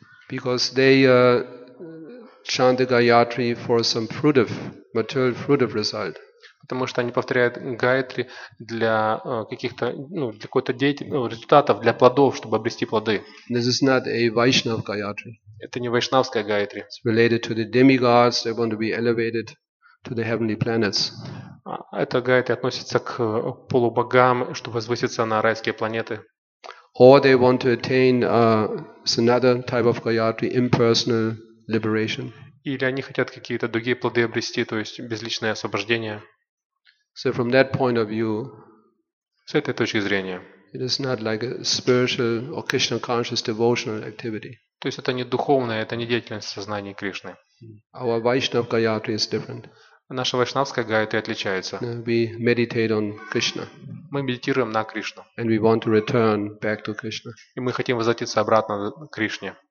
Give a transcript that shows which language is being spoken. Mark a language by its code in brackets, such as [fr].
[en] Because they chant the Gayatri for some fruitive, material fruitive result. [ru] Потому что они повторяют гаятри для каких-то, ну, для какой-то деятельности, результатов, для плодов, чтобы обрести плоды. [en] This is not a Vaishnav Gayatri. [ru] Это не вайшнавская гаятри. [en] It's related to the demigods. They want to be elevated to the heavenly planets. [ru] Эта гаятри относится к полубогам, чтобы возвыситься на райские планеты. [en] Or they want to attain another type of gayatri, impersonal liberation. [ru] Или они хотят какие-то другие плоды обрести, то есть безличное освобождение. [en] So from that point of view, [ru] с этой точки зрения, [en] it is not like a spiritual or Krishna conscious devotional activity. [ru] То есть это не духовная, это не деятельность сознания Кришны. [en] Our Vaishnav Gayatri is different. [ru] Наша вайшнавская гаятри отличается. [en] We meditate on Krishna. [ru] Мы медитируем на Кришну. [en] And we want to return back to Krishna. [ru] И мы хотим возвратиться обратно к Кришне.